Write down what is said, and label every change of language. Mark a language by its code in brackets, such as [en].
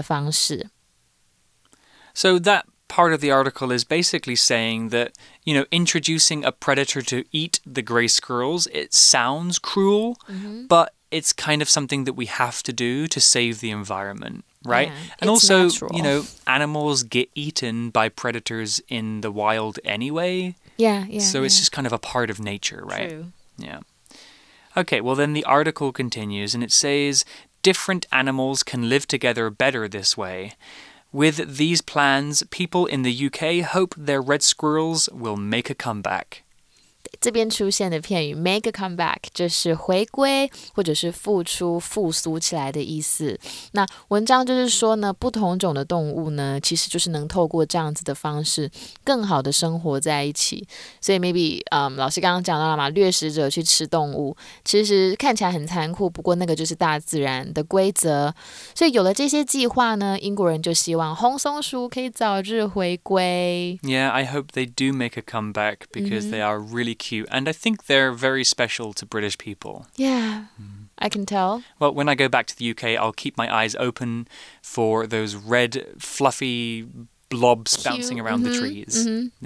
[zh] 这是我觉得一个很舒服的工作环境呢，可以增加生产力。那这边老师刚刚提到的句子，出现的imbalance就是昨天的文法练功方，这边指的就是保持平衡。所以这个方式呢，看起来很残酷，不过也是保持环境平衡的方式。So [en] that part of the article is basically saying that, you know, introducing a predator to eat the gray squirrels, it sounds cruel, mm-hmm. but it's kind of something that we have to do to save the environment, right? Yeah, and it's also, natural. You know, animals get eaten by predators in the wild anyway. Yeah, yeah. So yeah. It's just kind of a part of nature, right? True. Yeah. Okay, well, then the article continues and it says, different animals can live together better this way. With these plans, people in the UK hope their red squirrels will make a comeback. [zh] 这边出现的片语 make a comeback 就是回归或者是复出复苏起来的意思。那文章就是说呢，不同种的动物呢，其实就是能透过这样子的方式，更好的生活在一起。所以 maybe 老师刚刚讲到了嘛，掠食者去吃动物，其实看起来很残酷，不过那个就是大自然的规则。所以有了这些计划呢，英国人就希望红松鼠可以早日回归。Yeah, [en] I hope they do make a comeback because they are really cute, and I think they're very special to British people. Yeah, I can tell. Well, when I go back to the UK, I'll keep my eyes open for those red, fluffy blobs cute. Bouncing around mm-hmm. the trees. Mm-hmm.